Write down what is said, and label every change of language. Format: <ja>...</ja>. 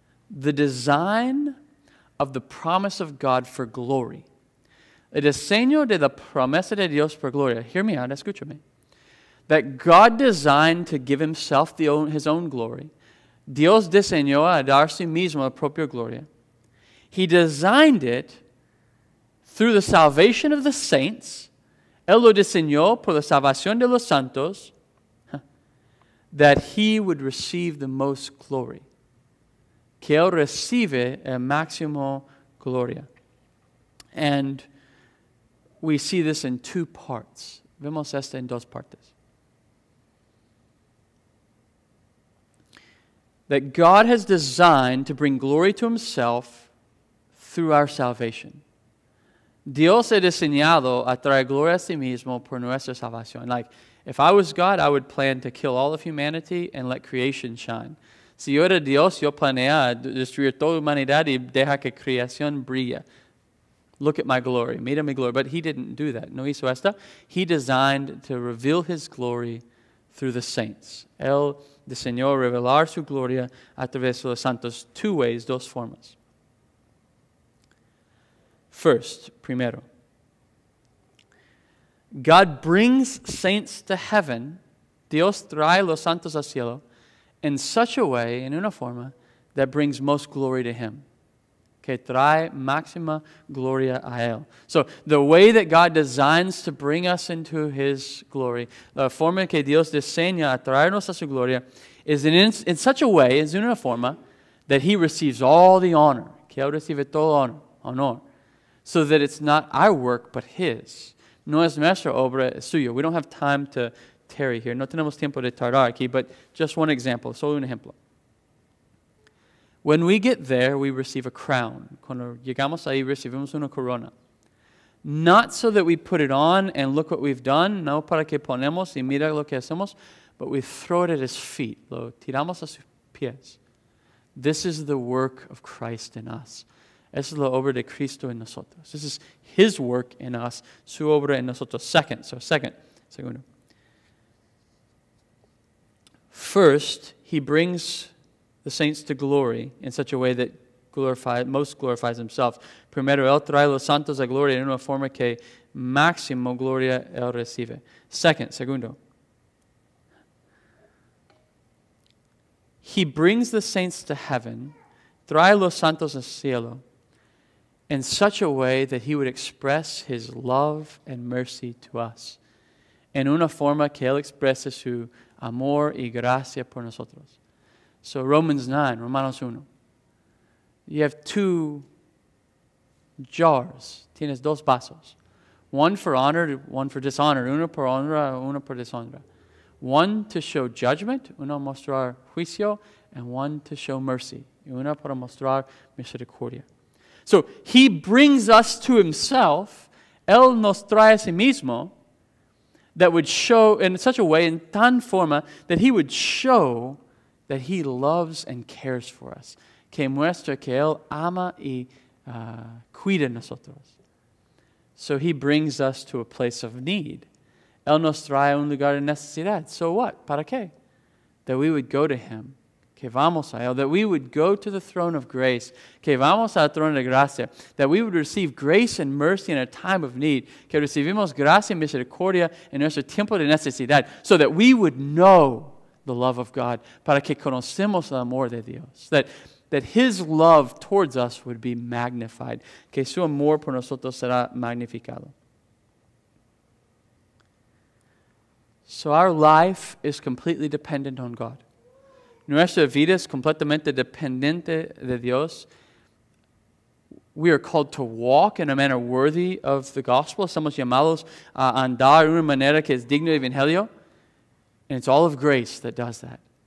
<en>The design of the promise of God for glory.</en> <es>El diseño de la promesa de Dios por gloria.</es> <en>Hear me out,</en> <es>escúchame.</es> <en>That God designed to give himself his own glory.</en> <es>Dios diseñó a dar sí mismo la propia gloria.</es> <en>He designed it through the salvation of the saints.</en> <es>Él lo diseñó por la salvación de los santos.</es> <en>That he would receive the most glory.</en> <es>Que él recibe el máximo gloria.</es> <en>And we see this in two parts.</en> <es>Vemos esto en dos partes.</es> <en>That God has designed to bring glory to himself through our salvation.</en> <es>Dios ha diseñado a traer gloria a sí mismo por nuestra salvación.</es> <en>Like, if I was God, I would plan to kill all of humanity and let creation shine.</en> <es>Si yo era Dios, yo planea destruir toda humanidad y deja que creación brille.</es> <en>Look at my glory.</en> <es>Mira mi gloria.</es> <en>But he didn't do that.</en> <es>No hizo esta.</es> <en>He designed to reveal his glory through the saints.</en> <es>Él diseñó revelar su gloria a través de los santos.</es> <en>Two ways,</en> <es>dos formas.</es> <en>First, primero. God brings saints to heaven.</en> <es>Dios trae los santos al cielo.</es> <en>In such a way, in</en> <es>una forma,</es> <en>that brings most glory to him.</en> <es>Que trae máxima gloria a él.</es> <en>So, the way that God designs to bring us into his glory,</en> <es>la forma que Dios diseña a traernos a su gloria,</es> <en>is in such a way, is in</en> <es>una forma,</es> <en>that he receives all the honor.</en> <es>Que él recibe todo honor.</es> <en>Honor. So that it's not our work, but his.</en> <es>No es nuestra obra, es suya.</es> <en>We don't have time to tarry here.</en> <es>No tenemos tiempo de tardar aquí,</es> <en>but just one example.</en> <es>Solo un ejemplo.</es> <en>When we get there, we receive a crown.</en> <es>Cuando llegamos ahí, recibimos una corona.</es> <en>Not so that we put it on and look what we've done.</en> <es>No para que ponemos y mira lo que hacemos.</es> <en>But we throw it at his feet.</en> <es>Lo tiramos a sus pies.</es> <en>This is the work of Christ in us.</en> <es>Esa es la obra de Cristo en nosotros.</es> <en>This is his work in us.</en> <es>Su obra en nosotros.</es> <en>Segundo. First, he brings the saints to glory in such a way that most glorifies himself.</en> <es>Primero, él trae los santos a gloria en una forma que máximo gloria él recibe. Segundo.</es> <en>He brings the saints to heaven,</en> <es>trae los santos al cielo,</es> <en>in such a way that he would express his love and mercy to us.</en> <es>en una forma que Él exprese su amor y gracia por nosotros.</es> <en>So Romanos 1. You have two jars.</en> <es>Tienes dos vasos.</es> <en>One for honor, one for dishonor.</en> <es>Uno por honra, uno por deshonra.</es> <en>One to show judgment,</en> <es>uno mostrar juicio,</es> <en>and one to show mercy.</en> <es>Uno para mostrar misericordia.</es> <en>So He brings us to Himself.</en> <es>Él nos trae a sí mismo.</es> <en>That would show in such a way, in</en> <es>tan forma,</es> <en>that He would show that He loves and cares for us.</en> <es>Que muestra que Él ama y cuida nosotros.</es> <en>So He brings us to a place of need.</en> <es>Él nos trae un lugar de necesidad.</es> <en>So what?</en> <es>¿Para qué?</es> <en>That we would go to Him.</en> <es>Que vamos a Él.</es> <en>That we would go to the throne of grace.</en> <es>Que vamos al trono de gracia.</es> <en>That we would receive grace and mercy in a time of need.</en> <es>Que recibimos gracia y misericordia en nuestro tiempo de necesidad.</es> <en>So that we would know the love of God.</en> <es>Para que conocemos el amor de Dios.</es> <en>That His love towards us would be magnified.</en> <es>Que su amor por nosotros será magnificado.</es> <en>So our life is completely dependent on God.</en> <es>Nuestra vida es completamente dependiente de Dios.</es> <en>We are called to walk in a manner worthy of the gospel.</en> <es>Somos llamados a andar de una manera que es digno del evangelio.</es> <en>And it's all of grace that does that.</en>